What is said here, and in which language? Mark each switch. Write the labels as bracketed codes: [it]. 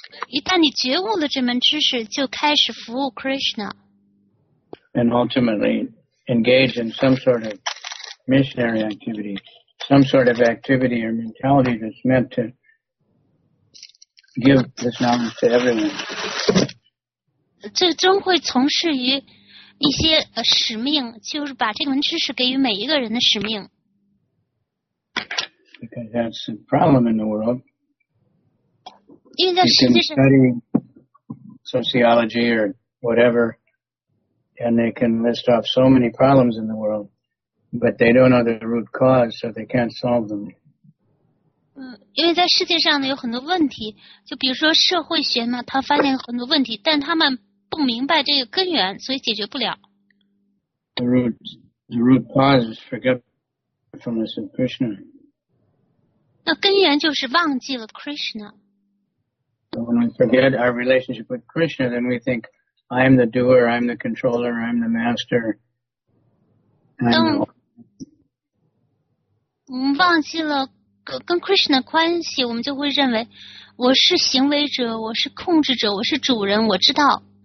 [zh] 一旦你觉悟了这门知识，就开始服务 Krishna. [en] And ultimately engage in some sort of missionary activity, some sort of activity or mentality that's meant to give this knowledge to everyone. [zh] 最终会从事于一些使命，就是把这门知识给予每一个人的使命。 [en] Because that's the problem in the world. [zh] 因为在世界上 [en] you can study sociology or whatever, and they can list off so many problems in the world, but they don't know the root cause, so they can't solve them. [zh] 因为在世界上呢有很多问题，就比如说社会学嘛，他发现很多问题，但他们不明白这个根源，所以解决不了。 [en] The root cause is forgetfulness of Krishna. [zh] 那根源就是忘记了 Krishna. [en] So when we forget our relationship with Krishna, then we think, I'm the doer, I'm the controller, I'm the master. [zh] 我们忘记了跟 Krishna 的关系，我们就会认为我是行为者，我是控制者，我是主人，我知道。